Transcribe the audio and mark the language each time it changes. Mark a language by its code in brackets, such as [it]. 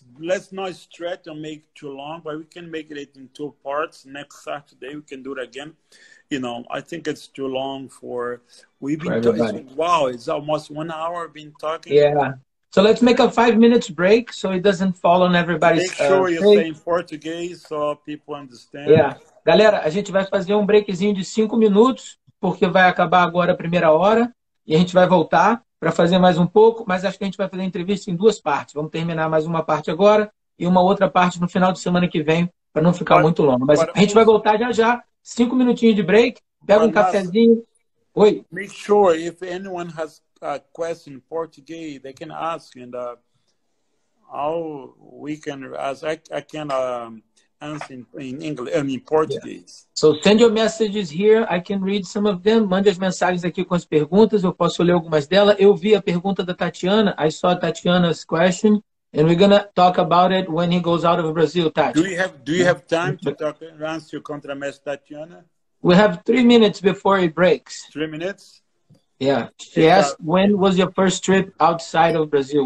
[en] Let's not stretch and make too long, but we can make it in two parts next Saturday. We can do it again. You know, I think it's too long for it's almost 1 hour been talking. Yeah. So let's make a 5 minutes break so it doesn't fall on everybody's Make sure you say in Portuguese so people understand. Yeah. [pt] Galera, a gente vai fazer um breakzinho de 5 minutos, porque vai acabar agora a primeira hora, e a gente vai voltar para fazer mais um pouco, mas acho que a gente vai fazer a entrevista em duas partes. Vamos terminar mais uma parte agora e uma outra parte no final de semana que vem, para não ficar muito longo. Mas a gente vai voltar já já, 5 minutinhos de break, pega um cafezinho. Oi? [en] Make sure if anyone has a question in Portuguese, they can ask, and answer in Portuguese. So send your messages here, I can read some of them. [pt] Mande as mensagens aqui com as perguntas, eu posso ler algumas delas. [en] Eu vi a pergunta da Tatiana, I saw Tatiana's question, and we're gonna talk about it when he goes out of Brazil, Tati. Do you have time to talk answer contra mestre Tatiana? We have 3 minutes before it breaks. 3 minutes? Yeah. She asked, when was your first trip outside of Brazil?